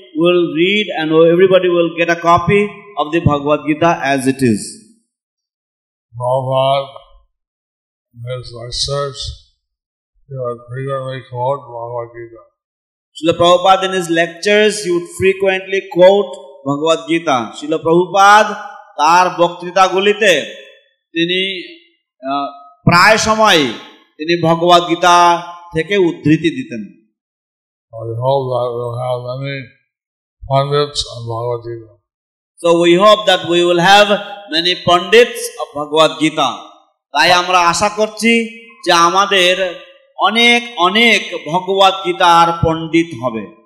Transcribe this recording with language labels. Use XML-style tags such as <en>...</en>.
<en>will read and everybody will get a copy of the Bhagavad Gita as it is. Prabhupada, in his lectures, he would frequently quote Bhagavad Gita. Srila Prabhupada, in his lectures, he would frequently quote Bhagavad Gita.</en> <bn>Srila Prabhupada, তার বক্তৃতাগুলিতে তিনি প্রায় সময় তিনি ভগবদ গীতা থেকে উদ্ধৃতি দিতেন।</bn> <en>We hope that we will have many pundits on Bhagavad Gita. So we hope that we will have many pundits of Bhagavad Gita.</en> <bn>তাই আমরা আশা করছি যে আমাদের অনেক অনেক ভগবদ গীতার পণ্ডিত হবে।</bn>